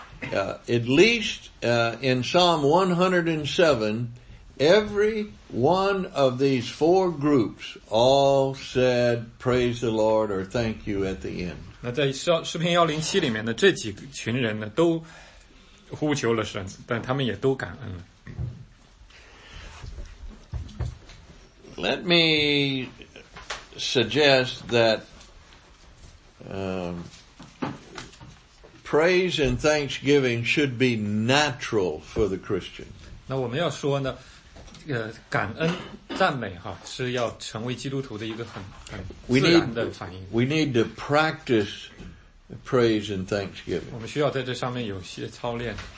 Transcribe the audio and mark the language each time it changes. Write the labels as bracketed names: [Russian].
[English] At least, in Psalm 107, every one of these four groups all said praise the Lord or thank you at the end. [Chinese] 那在诗篇107里面的这几群人呢都呼求了神，但他们也都感恩了。 [English] Let me suggest that praise and thanksgiving should be natural for the Christian. [Chinese] 那我们要说呢感恩赞美哈是要成为基督徒的一个很自然的反应。 [English] We need to practice praise and thanksgiving. [Chinese] 我们需要在这上面有些操练。